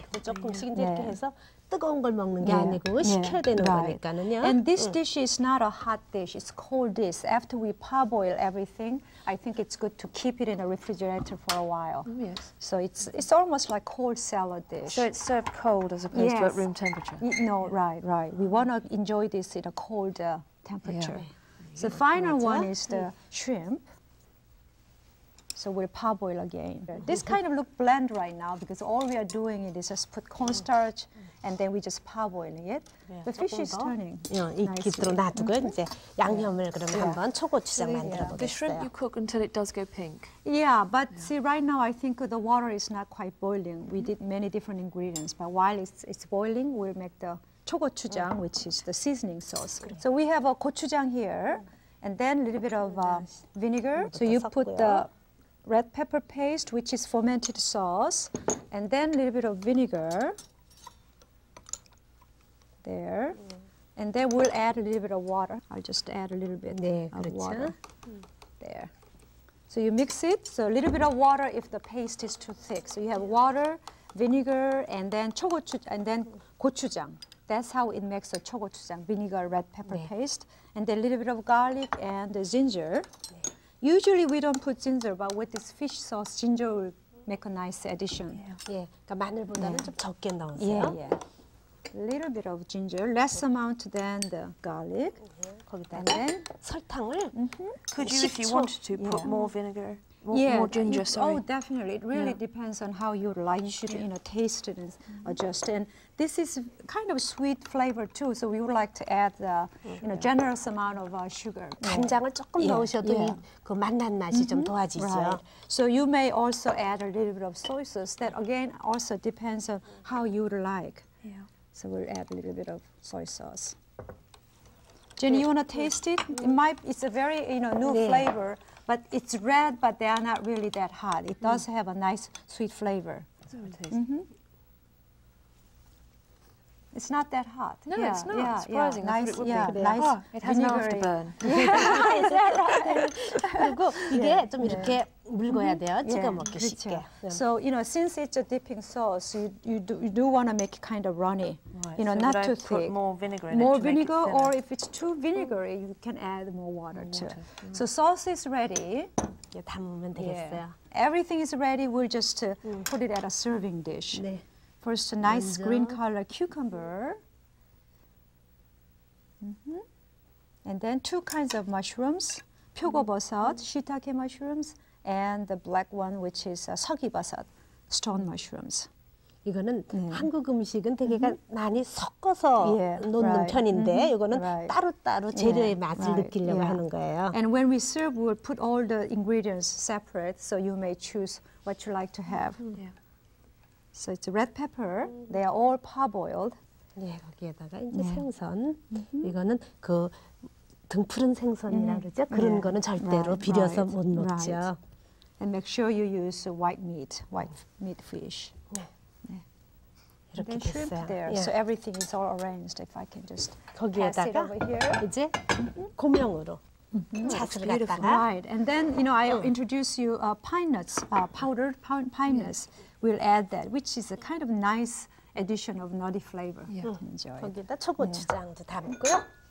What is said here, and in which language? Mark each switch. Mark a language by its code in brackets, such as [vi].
[ko] 조금씩 이렇게 해서 뜨거운 걸 먹는 게 아니고 식혀야 되는 거니까는요. [en] And this dish is not a hot dish. It's cold dish. After we parboil everything, I think it's good to keep it in the refrigerator for a while. Yes. So it's almost like cold salad dish. So it's served cold as opposed to at room temperature. Right. We want to enjoy this in a cold temperature. Yeah. So the final one is the shrimp. So we'll parboil again. This kind of look bland right now because all we are doing it is just put cornstarch and then we just parboiling it. The fish is turning. [ko] 익히도록 놔두고 이제 양념을 그러면 한번 초고추장 만들어 보겠어요. [en] The shrimp you cook until it does go pink. Yeah, but see right now I think the water is not quite boiling. We did many different ingredients, but while it's boiling, we'll make the 초고추장, which is the seasoning sauce. Yeah. So we have a gochujang here and then a little bit of vinegar. So you put the red pepper paste, which is fermented sauce, and then a little bit of vinegar. there. And then we'll add a little bit of water. I'll just add a little bit [ko] 네, [en] of [ko] 그렇죠. [en] water there. So you mix it. So a little bit of water if the paste is too thick. So you have water, vinegar, and then 초고추 and then 고추장. That's how it makes a 초고추장, vinegar, red pepper [ko] 네. [en] paste. And then a little bit of garlic and ginger. [ko] 네. [en] Usually we don't put ginger, but with this fish sauce, ginger will make a nice addition. [ko] 예, 그러니까 마늘보다는 네. 좀 적게 넣으세요. [en] Yeah, yeah. A little bit of ginger, less amount than the garlic. [ko] 거기다가 설탕을 [en] Could you, if you wanted to, put more vinegar, more ginger, sorry? Oh, definitely. It really depends on how you like. You should, you know, taste it and adjust. And this is kind of sweet flavor too, so we would like to add the, you know, generous amount of sugar. [ko] 간장을 조금 넣으셔도 그 맛난 맛이 좀 도와지죠. [en] So you may also add a little bit of soy sauce. That again also depends on how you would like. So we'll add a little bit of soy sauce. Jenny, you want to taste it? It might, it's a very, you know, new flavor, but it's red, but they are not really that hot. It does have a nice sweet flavor. So it's not that hot. No, it's not. Surprising. Nice. It has enough to burn. Yeah, exactly. [ko] 그리고 이게 좀 이렇게 물고야 돼요. 찍어 먹기 쉽게. [en] So, you know, since it's a dipping sauce, you do want to make it kind of runny. Right, you know, so not too thick. Put more vinegar in it. More vinegar, make it or if it's too vinegary, you can add more water too. So sauce is ready. [ko] 예, 담으면 되겠어요. [en] Yeah. Everything is ready. We'll just put it at a serving dish. [ko] 네. [en] First, a nice [ko] 먼저. [en] Green color cucumber. And then two kinds of mushrooms: 표고버섯, shiitake mushrooms, and the black one, which is 석이버섯, stone mushrooms. [ko] 이거는 한국 음식은 되게 많이 섞어서 놓는 편인데 이거는 따로따로 재료의 맛을 느끼려고 하는 거예요. [en] And when we serve, we'll put all the ingredients separate so you may choose what you like to have. So it's red pepper. They are all parboiled. [ko] 예, 거기에다가 이제 생선. 이거는 그 등푸른 생선이라 그러죠? 그런 거는 절대로 비려서 못 먹죠. [en] And make sure you use white meat, fish. And then shrimp there. So everything is all arranged. If I can just pass it over here. [ko] 이제 고명으로 잣을 갖다가. [en] Right. And then you know I introduce you pine nuts, powdered pine nuts. We'll add that, which is a kind of nice addition of nutty flavor. Enjoy. [ko] 거기다 초고추장도 담고요.